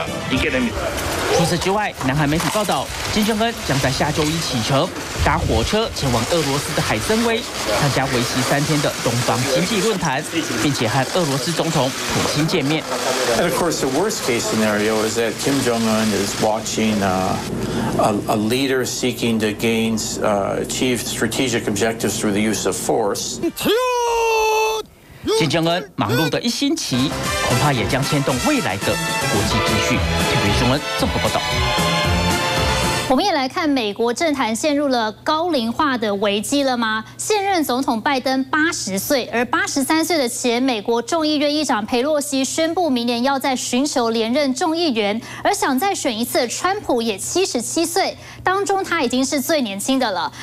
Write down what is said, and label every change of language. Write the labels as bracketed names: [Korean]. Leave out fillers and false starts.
[Chinese] 除此之外，南韩媒体报道，金正恩将在下周一启程，搭火车前往俄罗斯的海参崴，参加为期三天的东方经济论坛，并且和俄罗斯总统普京见面。 [English] And of course, the worst case scenario is that Kim Jong Un is watching a leader seeking to gain achieve strategic objectives through the use of force. [Chinese] 金正恩忙碌的一星期，恐怕也将牵动未来的国际秩序。特别新闻综合报道。我们也来看美国政坛陷入了高龄化的危机了吗？现任总统拜登80岁，而83岁的前美国众议院议长佩洛西宣布明年要再寻求连任众议员，而想再选一次的川普也77岁，当中他已经是最年轻的了。